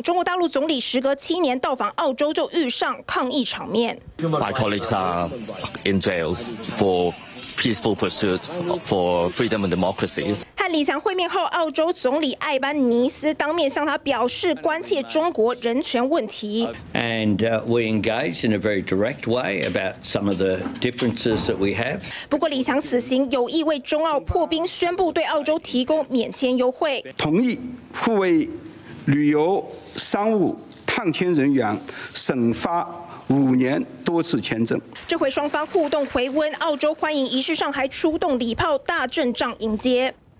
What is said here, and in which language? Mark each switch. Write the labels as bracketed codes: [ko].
[zh] 中国大陆总理时隔七年到访澳洲就遇上抗议场面。 [en] My colleagues are in jails for peaceful pursuit for freedom and democracies。 [zh] 和李强会面后，澳洲总理艾班尼斯当面向他表示关切中国人权问题。 [en] And we engage in a very direct way about some of the differences that we have。 [zh] 不过，李强此行有意为中澳破冰，宣布对澳洲提供免签优惠，同意互为旅游、商务、探亲人员审发。五年多次签证，这回双方互动回温，澳洲欢迎仪式上还出动礼炮大阵仗迎接。